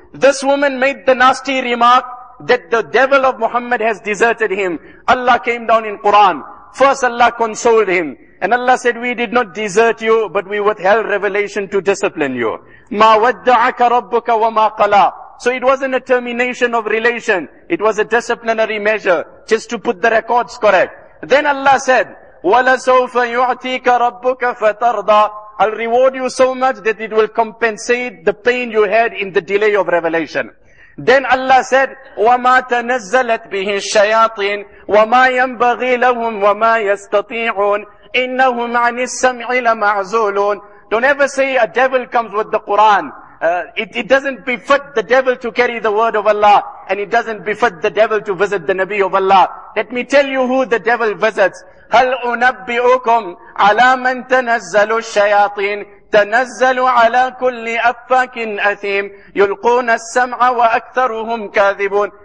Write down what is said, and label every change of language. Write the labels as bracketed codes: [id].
[en] This woman made the nasty remark that the devil of Muhammad has deserted him. Allah came down in Quran. First Allah consoled him. And Allah said, we did not desert you, but we withheld revelation to discipline you. [ar] مَا وَدَّعَكَ رَبُّكَ وَمَا قَلَى. [en] So it wasn't a termination of relation. It was a disciplinary measure, just to put the records correct. Then Allah said, [ar] وَلَسَوْفَ يُعْتِيكَ رَبُّكَ فَتَرْضَى. [en] I'll reward you so much that it will compensate the pain you had in the delay of revelation. Then Allah said, [ar] وَمَا تَنَزَّلَتْ بِهِ الشَّيَاطِينَ وَمَا يَنْبَغِي لَهُمْ وَمَا يَسْتَطِيعُونَ إِنَّهُمْ عَنِ السَّمْعِ لَمَعْزُولُونَ. [en] Don't ever say a devil comes with the Quran. It doesn't befit the devil to carry the word of Allah, and it doesn't befit the devil to visit the Nabi of Allah. Let me tell you who the devil visits. [ar] هَلْ أُنَبِّئُكُمْ عَلَى مَنْ تَنَزَّلُ الشَّيَاطِينَ تَنَزَّلُ عَلَى كُلِّ أَفَّاكٍ أَثِيمٍ يُلْقُونَ السَّمْعَ وَأَكْثَرُهُمْ كَاذِبُونَ.